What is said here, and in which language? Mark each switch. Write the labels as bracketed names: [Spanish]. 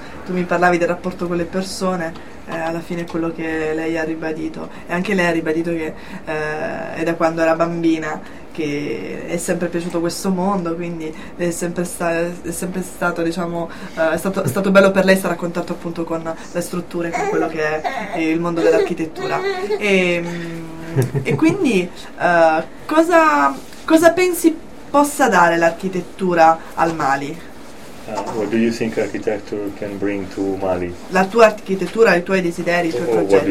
[Italian] Tu mi parlavi del rapporto con le persone, alla fine è quello che lei ha ribadito, e anche lei ha ribadito che è da quando era bambina che è sempre piaciuto questo mondo, quindi è sempre stato, diciamo, è stato bello per lei stare a contatto appunto con le strutture, con quello che è il mondo dell'architettura. E quindi cosa pensi possa dare l'architettura al Mali? [English] What do you think architecture can bring to Mali? [Italian] La tua architettura, i tuoi desideri, i tuoi progetti.